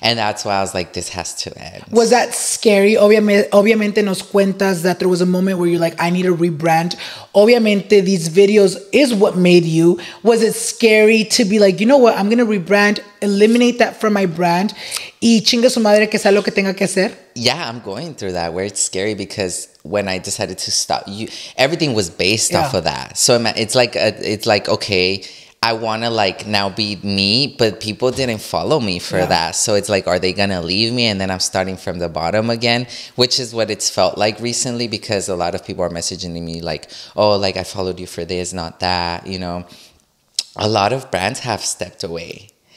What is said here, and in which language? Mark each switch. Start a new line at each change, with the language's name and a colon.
English: And that's why I was like, this has to end. Was that scary?
Spanish: Obviamente nos cuentas
English: that there was a moment where you're like, I need to rebrand. Obviamente, these videos is what made you. Was it scary to be like, you know what? I'm going to rebrand, eliminate that from my brand.
Spanish: Y chinga su madre que sea lo que tenga que hacer.
English: Yeah, I'm going through that where it's scary because when I decided to stop, everything was based off of that. So it's like, okay, I want to like now be me, but people didn't follow me for that. So it's like, are they going to leave me? And then I'm starting from the bottom again, which is what it's felt like recently because a lot of people are messaging me like, oh, like I followed you for this, not that, you know, a lot of brands have stepped away.